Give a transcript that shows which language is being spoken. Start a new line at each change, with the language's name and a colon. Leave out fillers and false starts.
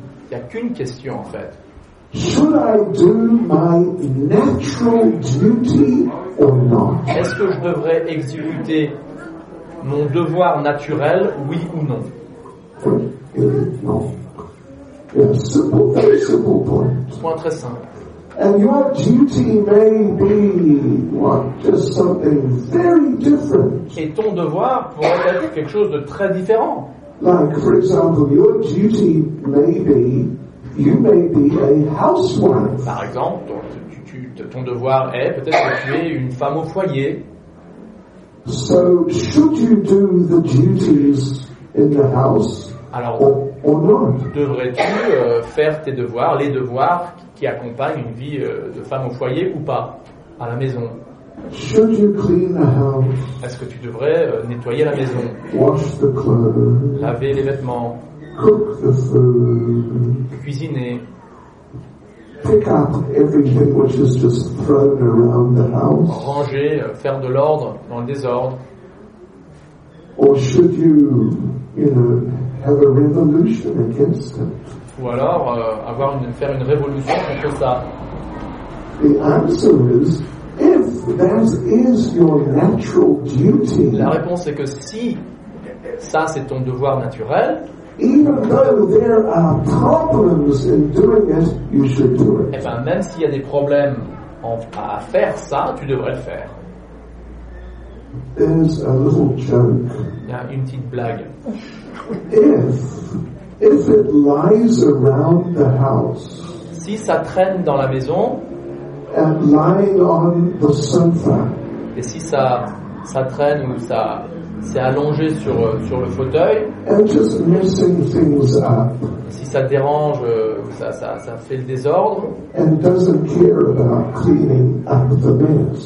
French: Il n'y a qu'une question en fait.
English: Should I do my natural duty or not?
French: Est-ce que je devrais exécuter mon devoir naturel, oui ou non? Point très simple.
English: And your duty may be just something very different.
French: Et ton devoir pourrait être quelque chose de très différent.
English: Like, for example, your duty may be, you may be a housewife.
French: Par exemple, ton devoir est peut-être que tu es une femme au foyer.
English: So should you do the duties in the house?
French: Alors,
English: or
French: devrais-tu faire tes devoirs, les devoirs qui accompagnent une vie de femme au foyer ou pas, à la maison?
English: Should you clean the house?
French: Est-ce que tu devrais nettoyer la maison?
English: Wash the clothes.
French: Laver les vêtements.
English: Cook the food.
French: Cuisiner.
English: Pick up everything which is just thrown around the house.
French: Ranger, faire de l'ordre dans le désordre.
English: Or should you, you know, have a revolution against it?
French: Ou alors faire une révolution contre ça.
English: The answer is, if that is your natural duty.
French: La réponse est que si ça c'est ton devoir naturel.
English: Even though there are problems in doing it, you should do it.
French: Et ben même s'il y a des problèmes à faire ça, tu devrais le faire.
English: There's a little joke.
French: Il y a une petite blague.
English: If it lies around the house,
French: si ça traîne dans la maison,
English: and lying on the sofa,
French: et si ça traîne ou ça s'est allongé sur le fauteuil,
English: and just messing things up,
French: si ça dérange ou ça fait le désordre,
English: and doesn't care about cleaning up the mess,